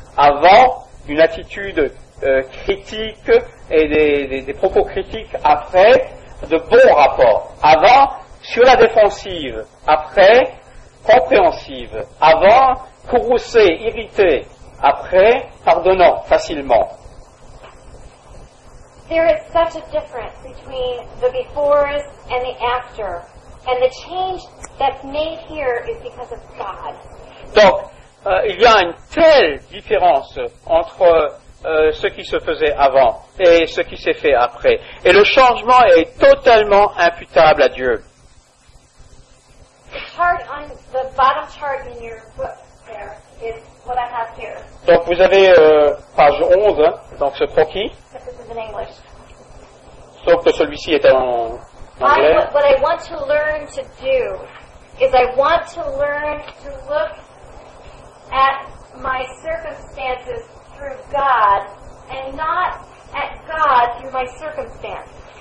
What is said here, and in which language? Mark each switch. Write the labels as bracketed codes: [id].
[fr] Avant, une attitude critique et des propos critiques. Après, de bons rapports. Avant, sur la défensive. Après, compréhensive. Avant, courroucée, irritée. Après, pardonnant facilement. [en] There is such a difference between the befores and the after. And the change that's made here is because of God. [fr] Donc, il y a une telle différence entre ce qui se faisait avant et ce qui s'est fait après. Et le changement est totalement imputable à Dieu. [en] The chart on the bottom chart in your book there is what I have here. [fr] Donc, vous avez page 11, donc ce croquis. [en] This is in English. [fr] sauf que celui-ci est en anglais. [en] What I want to learn to do is I want to learn to look at my circumstances through God and not at God through my circumstances.